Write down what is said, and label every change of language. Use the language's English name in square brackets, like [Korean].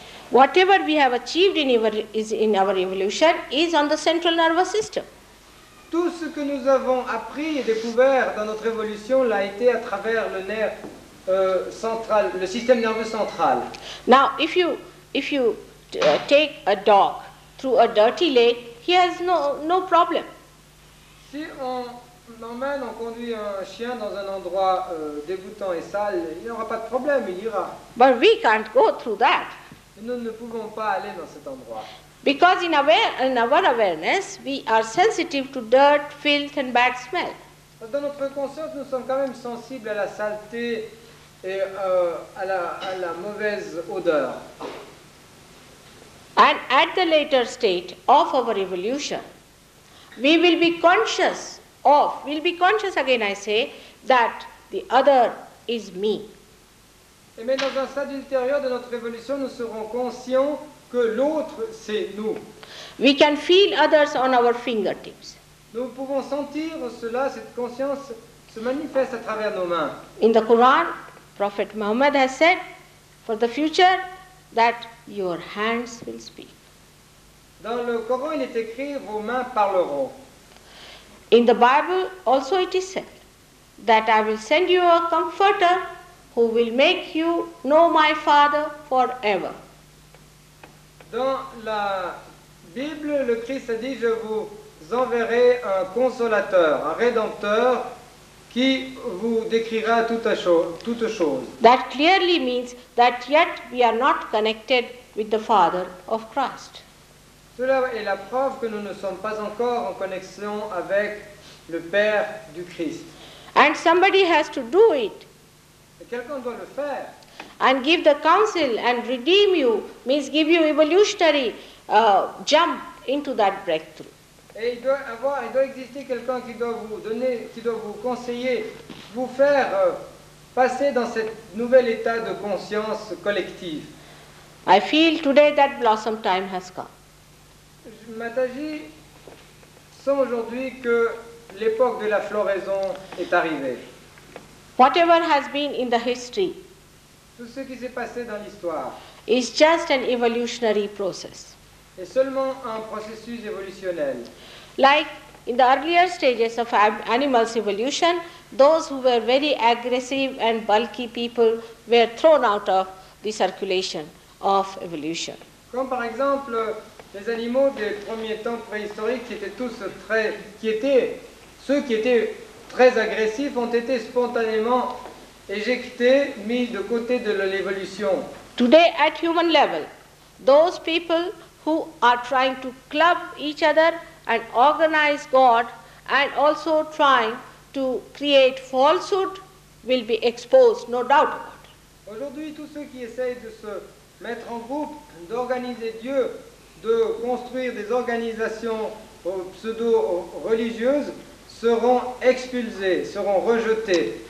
[English] Whatever we have achieved in our evolution is on the central nervous system. [French] tout ce que nous avons appris et découvert dans notre évolution l'a été à travers le nerf central, le système nerveux central. [English] Now, if you take a dog through a dirty lake, he has no problem. [French] Si on conduit un chien dans un endroit dégoûtant et sale, il n'aura pas de problème, il ira. [English] But we can't go through that. [French] Nous ne pouvons pas aller dans cet endroit. [English] Because in our awareness, we are sensitive to dirt, filth, and bad smell. [French] Dans notre conscience, nous sommes quand même sensibles à la saleté et à la mauvaise odeur. [English] And at the later state of our evolution, we will be conscious of, we'll be conscious again, I say, that the other is me. [French] Et mais dans un stade ultérieur de notre évolution, nous serons conscients que l'autre, c'est nous. [English] We can feel others on our fingertips. [French] Nous pouvons sentir cela, cette conscience se manifeste à travers nos mains. [English] In the Quran, Prophet Muhammad has said, for the future, that your hands will speak. [French] Dans le Coran, il est écrit, vos mains parleront. [English] In the Bible, also it is said, that I will send you a comforter, who will make you know my Father forever. [French] Dans la Bible, le Christ a dit, je vous enverrai un consolateur, un rédempteur, qui vous décrira toute chose. [English] That clearly means that yet we are not connected with the Father of Christ. [French] Cela est la preuve que nous ne sommes pas encore en connexion avec le Père du Christ. [English] And somebody has to do it. [French] Et quelqu'un doit le faire. [English] And give the counsel and redeem you means give you evolutionary jump into that breakthrough. [French] Et il doit exister quelqu'un qui doit vous donner, qui doit vous conseiller, vous faire passer dans cet nouvel état de conscience collective. [English] I feel today that blossom time has come. [French] Mataji sent aujourd'hui que l'époque de la floraison est arrivée. [English] Whatever has been in the history, [French] tout ce qui s'est passé dans l'histoire, [English] is just an evolutionary process. [French] Est seulement un processus évolutionnel. [English] Like in the earlier stages of animals' evolution, those who were very aggressive and bulky people were thrown out of the circulation of evolution. [French] Comme par exemple les animaux des premiers temps préhistoriques qui étaient très agressifs ont été spontanément éjectés, mis de côté de l'évolution. [English] Today, at human level, those people who are trying to club each other and organize God and also trying to create falsehood will be exposed, no doubt about it. [French] Aujourd'hui, tous ceux qui essayent de se mettre en groupe, d'organiser Dieu, de construire des organisations pseudo-religieuses seront expulsés, seront rejetés.